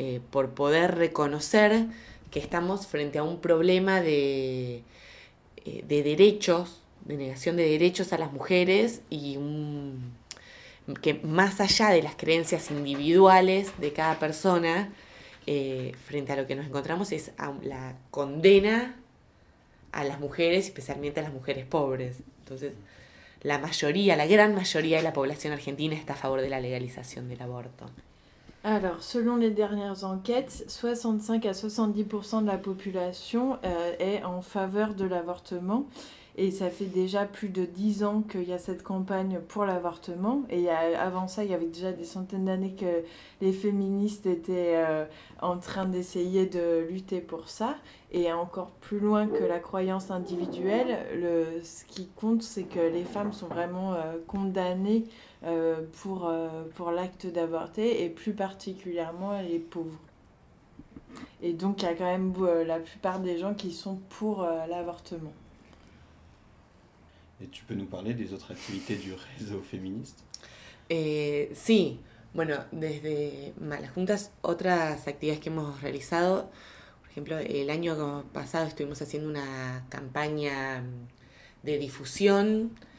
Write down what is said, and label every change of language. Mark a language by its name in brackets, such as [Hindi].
[Spanish] Por poder reconocer que estamos frente a un problema de derechos, de negación de derechos a las mujeres y que más allá de las creencias individuales de cada persona, frente a lo que nos encontramos es la condena a las mujeres, especialmente a las mujeres pobres. Entonces, la gran mayoría de la población argentina está a favor de la legalización del aborto. [French] Alors, selon les dernières enquêtes, 65 à 70% de la population est en faveur de l'avortement. Et ça fait déjà plus de 10 ans qu'il y a cette campagne pour l'avortement. Et avant ça, il y avait déjà des centaines d'années que les féministes étaient en train d'essayer de lutter pour ça. Et encore plus loin que la croyance individuelle, ce qui compte, c'est que les femmes sont vraiment condamnées pour l'acte d'avorter, et plus particulièrement les pauvres. Et donc, il y a quand même la plupart des gens qui sont pour l'avortement. Et tu peux nous parler des autres activités du réseau féministe? [Spanish] Sí, bueno, desde Malajuntas, otras actividades que hemos realizado, por ejemplo, el año pasado estuvimos haciendo una campaña de difusión